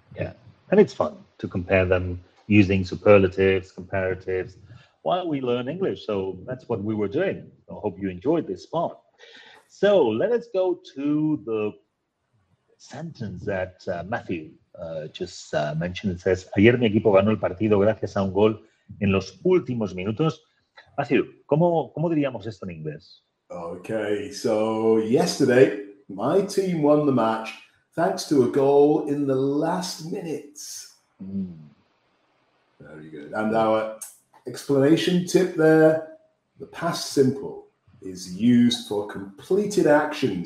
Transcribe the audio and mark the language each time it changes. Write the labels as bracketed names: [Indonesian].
[English] Yeah, and it's fun to compare them using superlatives, comparatives, while we learn English. So that's what we were doing. I hope you enjoyed this part. So let us go to the sentence that Matthew just mentioned. It says, [Spanish] "Ayer mi equipo ganó el partido gracias a un gol en los últimos minutos." Matthew, ¿cómo diríamos esto en inglés? [English] Okay, so yesterday, my team won the match thanks to a goal in the last minutes. Very good. And our explanation tip there, the past simple is used for completed action.